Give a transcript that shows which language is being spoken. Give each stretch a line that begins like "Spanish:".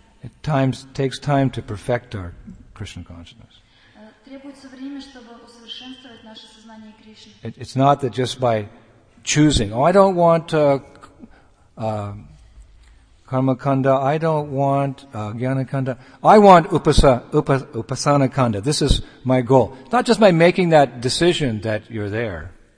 English: It times, takes time to perfect our Krishna consciousness.
Russian: Требуется время, чтобы усовершенствовать наше сознание Кришны.
English: It's not that just by choosing, oh, I don't want to Karmakanda, I don't want Jnanakanda. I want Upasanakanda. This is my goal. It's not just by making that decision that you're there.